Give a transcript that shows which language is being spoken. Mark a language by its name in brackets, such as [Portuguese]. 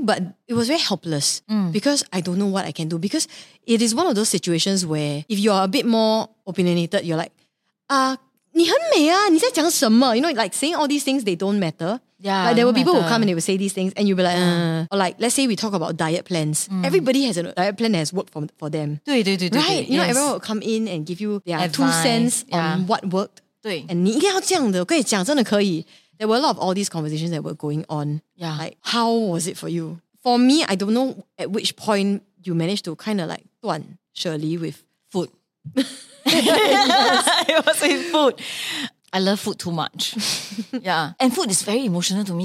[English] but it was very helpless because I don't know what I can do. Because it is one of those situations where if you are a bit more opinionated, you're like, [Chinese] "你很美啊，你在讲什么?" [English] You know, like saying all these things, they don't matter. Yeah, like there were people who come and they would say these things and you'd be like, Or like, let's say we talk about diet plans. Mm. Everybody has a diet plan that has worked for them. [Chinese] 对, [English] right? You know, everyone would come in and give you their advice, 2 cents on what worked. [Chinese] 对. And 你一定要这样的,我跟你讲,真的可以. [English] There were a lot of all these conversations that were going on. Yeah. Like, how was it for you? For me, I don't know at which point you managed to kind of like 断舍离 with food. Yes. It was with food. I love food too much. Yeah. And food is very emotional to me.